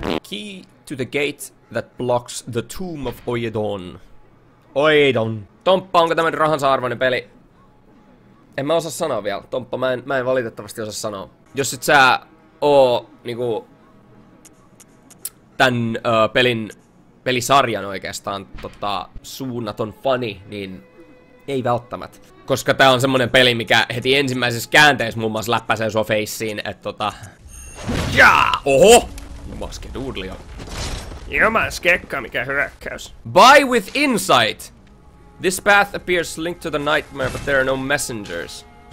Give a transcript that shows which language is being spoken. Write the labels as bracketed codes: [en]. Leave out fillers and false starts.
[en] Key to the gate that blocks the tomb of Oedon. Oedon. [fi] Tomppa, onko tämä rahansa arvoinen peli? En mä osaa sanoa vielä. Tomppa, mä en valitettavasti osaa sanoa. Jos et sä oo niinku... tän pelisarjan oikeastaan suunnaton fani, niin ei välttämättä. Koska tää on semmonen peli, mikä heti ensimmäisessä käänteessä muun muassa läppäsee sua feissiin, et Jaa! Oho! Maske doodlio. Jumas kekka, mikä hyökkäys. [en] By with insight! This path appears linked to the nightmare, but there are no messengers.